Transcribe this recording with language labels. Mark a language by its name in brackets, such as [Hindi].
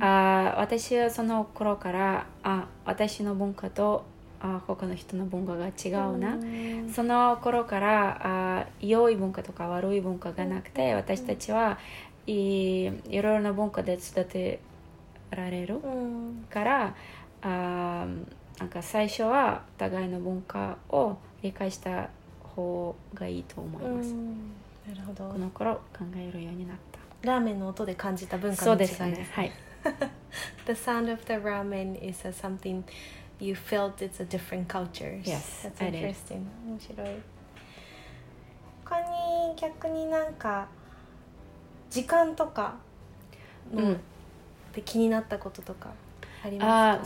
[Japanese] 私はその頃から私の文化と他の人の文化が違うな、うん、その頃から良い文化とか悪い文化がなくて、うん、私たちは いろいろな文化で育てられる、うん、からなんか最初は互いの文化を理解した方がいいと思います、うん、なるほど。この頃考えるようになった。ラーメンの音で感じた文化の違いですね。そうですね、はい。 [English] The sound of the ramen is a something you felt it's a different culture. Yes, that's interesting. [Japanese] 面白い。他に逆になんか時間とかの、うん、で気になったこととかありますか？